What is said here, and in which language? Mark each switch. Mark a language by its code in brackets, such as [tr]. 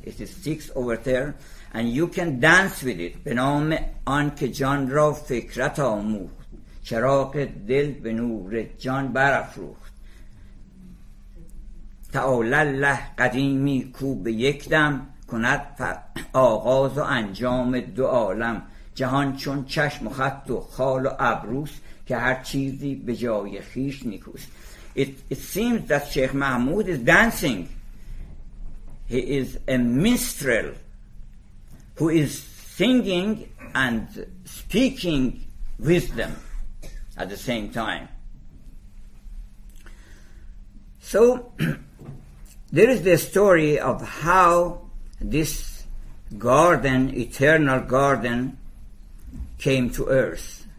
[en] It is 6 over there and you can dance with it. [fa] بنام آن که جان را فکرت آموخت چراغ دل به نور جان برافروخت تعال الله قدیمی کو به یک دم کند آغاز و انجام دو عالم جهان چون چشم و خط و خال و ابروس که هر چیزی به جای خیش نیکوست. [en] It seems that Sheikh Mahmud is dancing. He is a minstrel who is singing and speaking wisdom at the same time. So there is the story of how this garden, eternal garden, came to earth.